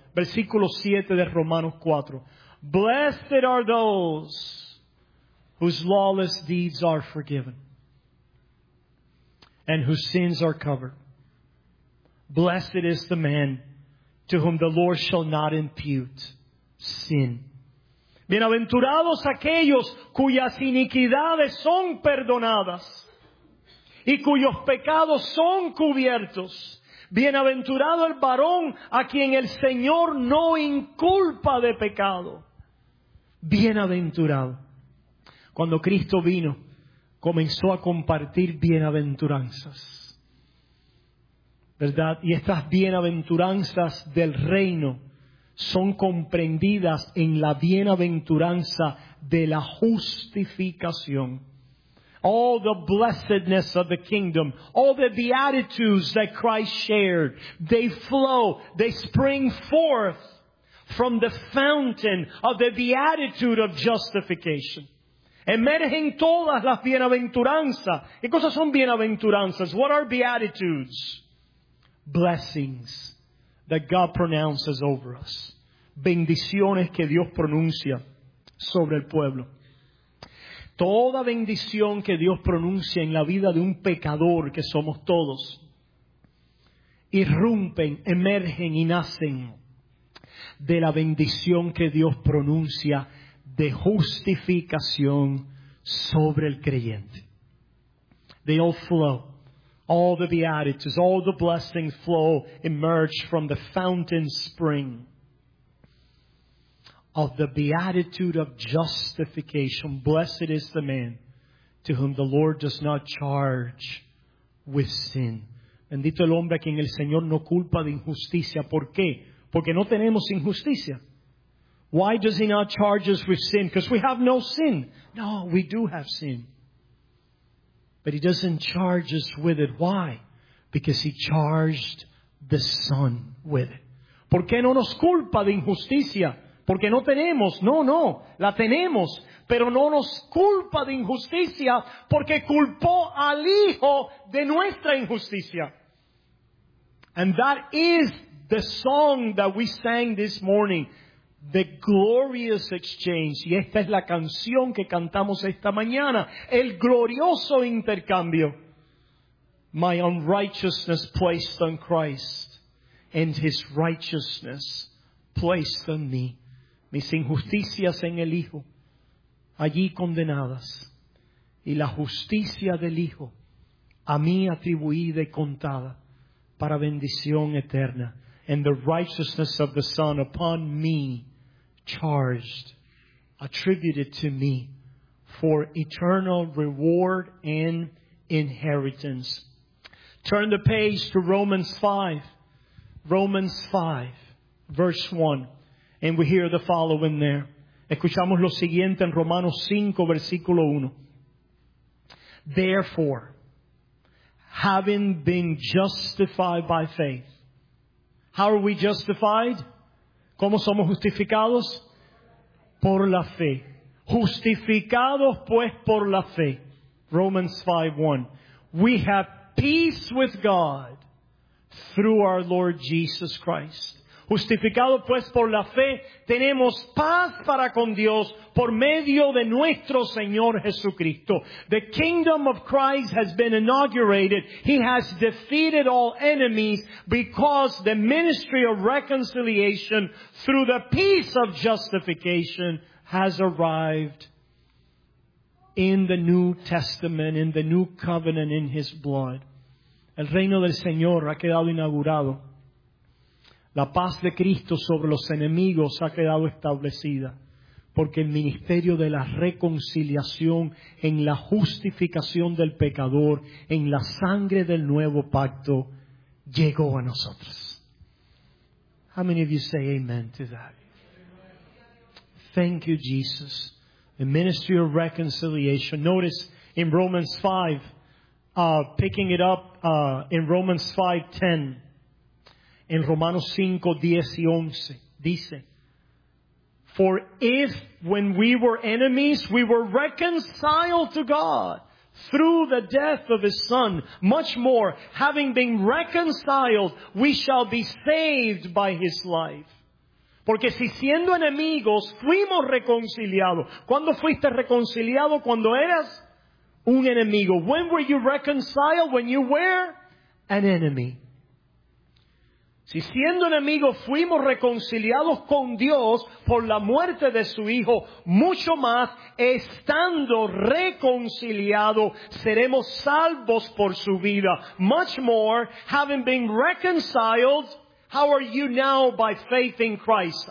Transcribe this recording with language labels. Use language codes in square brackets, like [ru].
[es] Versículo 7 de Romanos 4. [en] Blessed are those whose lawless deeds are forgiven and whose sins are covered. Blessed is the man to whom the Lord shall not impute sin. [es] Bienaventurados aquellos cuyas iniquidades son perdonadas y cuyos pecados son cubiertos. Bienaventurado el varón a quien el Señor no inculpa de pecado. Bienaventurado. Cuando Cristo vino, comenzó a compartir bienaventuranzas. ¿Verdad? Y estas bienaventuranzas del reino son comprendidas en la bienaventuranza de la justificación. [en] All the blessedness of the kingdom, all the beatitudes that Christ shared, they flow, they spring forth from the fountain of the beatitude of justification. [es] Emergen todas las bienaventuranzas. ¿Qué cosas son bienaventuranzas? [en] What are beatitudes? Blessings that God pronounces over us. [es] Bendiciones que Dios pronuncia sobre el pueblo. Toda bendición que Dios pronuncia en la vida de un pecador que somos todos, irrumpen, emergen y nacen de la bendición que Dios pronuncia de justificación sobre el creyente. [en] They all flow. All the beatitudes, all the blessings flow, emerge from the fountain spring. of the beatitude of justification. Blessed is the man to whom the Lord does not charge with sin. [es] Bendito el hombre a quien el Señor no culpa de injusticia. ¿Por qué? Porque no tenemos injusticia. [en] Why does he not charge us with sin? Because we have no sin. No, we do have sin. But he doesn't charge us with it. Why? Because he charged the Son with it. [es] ¿Por qué no nos culpa de injusticia? Porque no tenemos. No, no, la tenemos. Pero no nos culpa de injusticia porque culpó al Hijo de nuestra injusticia. [en] And that is the song that we sang this morning. The glorious exchange. [es] Y esta es la canción que cantamos esta mañana. El glorioso intercambio. [en] My unrighteousness placed on Christ, and his righteousness placed on me. [es] Mis injusticias en el Hijo, allí condenadas, y la justicia del Hijo, a mí atribuida y contada, para bendición eterna. [en] And the righteousness of the Son upon me, charged, attributed to me, for eternal reward and inheritance. Turn the page to Romans 5. Romans 5, verse 1. And we hear the following there. [es] Escuchamos lo siguiente en Romanos 5, versículo 1. [en] Therefore, having been justified by faith. How are we justified? [es] ¿Cómo somos justificados? Por la fe. Justificados pues por la fe. [en] Romans 5, 1. We have peace with God through our Lord Jesus Christ. [es] Justificado pues por la fe, tenemos paz para con Dios por medio de nuestro Señor Jesucristo. [en] The kingdom of Christ has been inaugurated. He has defeated all enemies because the ministry of reconciliation through the peace of justification has arrived in the New Testament, in the New Covenant, in His blood. [es] El reino del Señor ha quedado inaugurado. La paz de Cristo sobre los enemigos ha quedado establecida porque el ministerio de la reconciliación en la justificación del pecador en la sangre del nuevo pacto llegó a nosotros. [en] How many of you say amen to that? Thank you, Jesus. The ministry of reconciliation. Notice in Romans 5, picking it up in Romans 5:10. [es] En Romanos 5, 10 y 11, dice, [en] For if when we were enemies, we were reconciled to God through the death of His Son, much more, having been reconciled, we shall be saved by His life. [es] Porque si siendo enemigos, fuimos reconciliados. ¿Cuándo fuiste reconciliado? Cuando eras un enemigo. [en] When were you reconciled? When you were an enemy. [es] Si siendo enemigos fuimos reconciliados con Dios por la muerte de su Hijo, mucho más, estando reconciliados, seremos salvos por su vida. [en] Much more, having been reconciled, how are you now by faith in Christ?